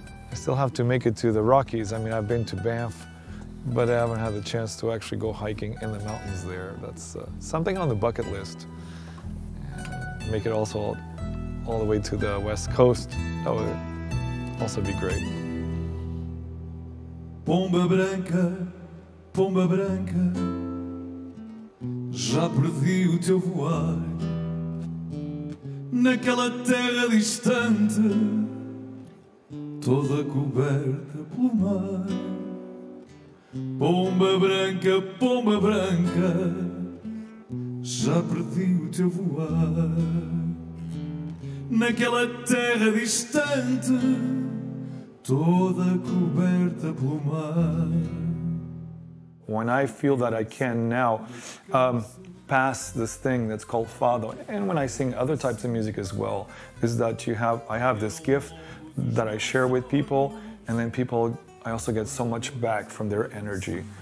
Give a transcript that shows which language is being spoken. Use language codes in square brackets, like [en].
[en] I still have to make it to the Rockies. I mean, I've been to Banff, but I haven't had the chance to actually go hiking in the mountains there. That's something on the bucket list. Make it also all the way to the West Coast. That would also be great. [pt] Pomba branca, pomba branca, já perdi o teu voar naquela terra distante, toda coberta pelo mar. Pomba branca, já perdi o teu voar naquela terra distante, toda coberta pelo mar. [en] When I feel that I can now pass this thing that's called Fado, and when I sing other types of music as well, is that I have this gift that I share with people, and then people, I also get so much back from their energy.